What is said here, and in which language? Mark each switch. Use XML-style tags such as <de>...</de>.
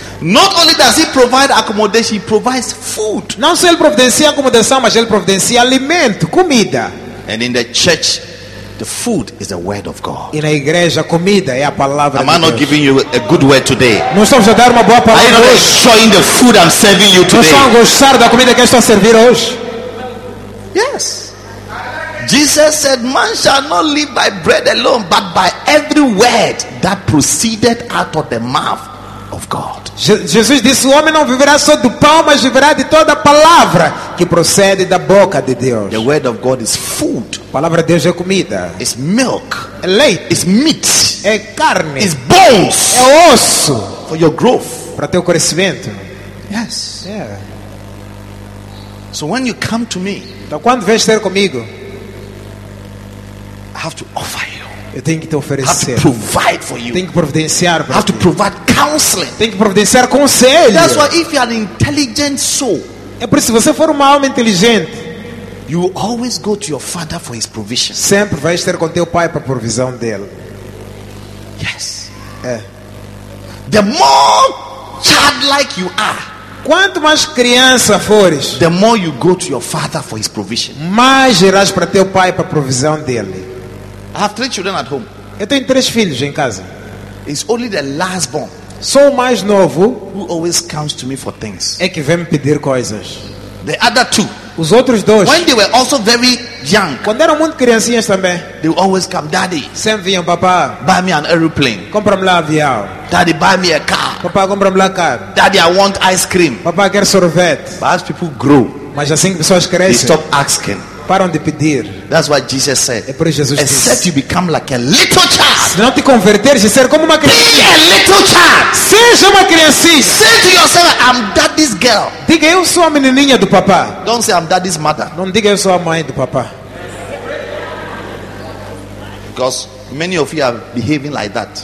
<en>Not only does he provide accommodation, he provides food.</en> <pt>Não só ele providencia acomodação, mas ele providencia alimento, comida.</pt> <en>And in the church, the food is the word of God.</en> <pt>E na igreja, a comida é a palavra de Deus.</pt> <en>Am I not giving you a good word today?</en> <pt>Não estamos a dar uma boa palavra.</pt> <en>Are you not enjoying the food I'm serving you today?</en> <pt>Não estão a gostar da comida que eu estou a servir hoje?</pt> <en>Yes. Jesus said, man shall not live by bread alone, but by every word that proceeded out of the mouth of God.</en> <pt>Jesus disse, o homem não viverá só do pão, mas viverá de toda palavra que procede da boca de Deus.</pt> <en>The word of God is food.</en> <pt>A palavra de Deus é comida.</pt> <en>It's milk.</en> <pt>É leite.</pt> <en>It's meat.</en> <pt>É carne.</pt> <en>It's bones.</en> <pt>É osso.</pt> <en>For your growth.</en> <pt>Para teu crescimento.</pt> <en>Yes. Yeah. So when you come to me,</en> <pt>então quando vens ter comigo,</pt> <en>I have to offer you.</en> <pt>Eu tenho que te oferecer.</pt> <en>I have to provide for you.</en> <pt>Tenho que providenciar para ti.</pt> <en>I have to provide counseling.</en> <pt>Tenho que providenciar conselho.</pt> <en>That's why if you are an intelligent soul,</en> <pt>é por isso, se você for uma alma inteligente,</pt> <en>you will always go to your father for his provision.</en> <pt>Sempre vais ter com teu pai para a provisão dele.</pt> <en>Yes.</en> <pt>É.</pt> <en>The more childlike you are,</en> <pt>quanto mais criança fores,</pt> <en>the more you go to your father for his provision.</en> <pt>Mais irás para teu pai para a provisão dele.</pt> <en>I have three children at home.</en> <pt>Eu tenho três filhos em casa.</pt> <en>It's only the last born.</en> <pt>Só o mais novo,</pt> <en>who always comes to me for things.</en> <pt>É que vem me pedir coisas.</pt> <en>The other two,</en> <pt>os outros dois,</pt> <en>when they were also very young,</en> <pt>quando eram muito criancinhas também,</pt> <en>they would always come, daddy,</en> <pt>sempre vinham, papá,</pt> <en>buy me an aeroplane,</en> <pt>compra-me lá avião,</pt> <en>daddy, buy me a car,</en> <pt>papá, compra-me lá car,</pt> <en>daddy, I want ice cream,</en> <pt>papá, quero sorvete.</pt> <en>But as people grow,</en> <pt>mas assim que pessoas crescem,</pt> <en>they stop asking,</en> <pt>param de pedir.</pt> <en>That's what Jesus said.</en> <pt>É por isso Jesus</pt> <en>except</en> <pt>disse,</pt> <en>you become like a little child,</en> <pt>se não te converteres e ser como uma criança,</pt> <en>be a little child,</en> <pt>seja uma criança,</pt> <en>say to yourself, I'm daddy's girl,</en> <pt>diga eu sou a menininha do papá,</pt> <en>don't say I'm daddy's mother,</en> <pt>não diga eu sou a mãe do papá,</pt> <en>because many of you are behaving like that,</en>